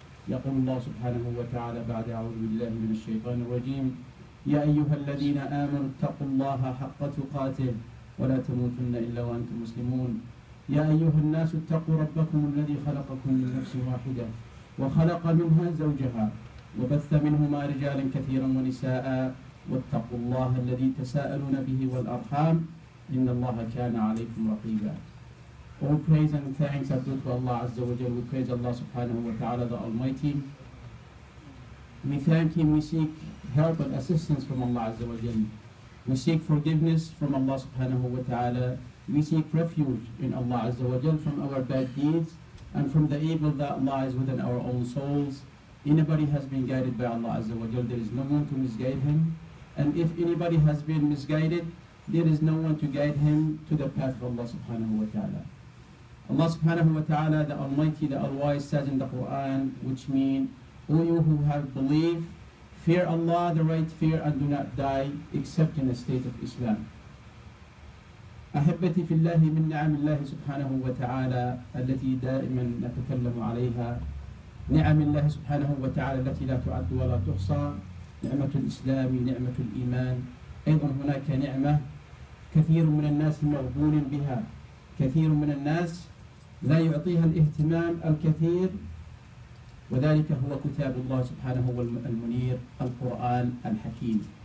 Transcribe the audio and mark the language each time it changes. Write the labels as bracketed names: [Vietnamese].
[Arabic] يقول الله سبحانه وتعالى بعد أعوذ بالله من الشيطان الرجيم: يا أيها الذين آمنوا اتقوا الله حق تقاته ولا تموتن إلا وأنتم مسلمون. يا أيها الناس اتقوا ربكم الذي خلقكم من نفس واحدة وخلق منها زوجها وبث منهما رجالا كثيرا ونساء، واتقوا الله الذي تساءلون به والأرحام إن الله كان عليكم رقيبا. [English] All praise and thanks are due to Allah Azza wa Jal. We praise Allah Subhanahu wa Ta'ala, the Almighty. We thank Him, we seek help and assistance from Allah Azza wa Jal. We seek forgiveness from Allah Subhanahu wa Ta'ala. We seek refuge in Allah Azza wa Jal from our bad deeds and from the evil that lies within our own souls. Anybody has been guided by Allah Azza wa Jal, there is no one to misguide him. And if anybody has been misguided, there is no one to guide him to the path of Allah Subhanahu wa Ta'ala. Allah Subhanahu wa Ta'ala, the Almighty, the Al-Wise, says in the Quran, which means, O you who have belief, fear Allah, the right fear, and do not die except in a state of Islam. [Arabic] أحبتي في الله من نعم الله سبحانه وتعالى التي دائما نتكلم عليها، نعم الله سبحانه وتعالى التي لا تعد ولا تحصى، نعمة الإسلام، نعمة الإيمان. أيضا هناك نعمة كثير من الناس مغبون بها، كثير من الناس لا يعطيها الاهتمام الكثير، وذلك هو كتاب الله سبحانه والمنير القرآن الحكيم.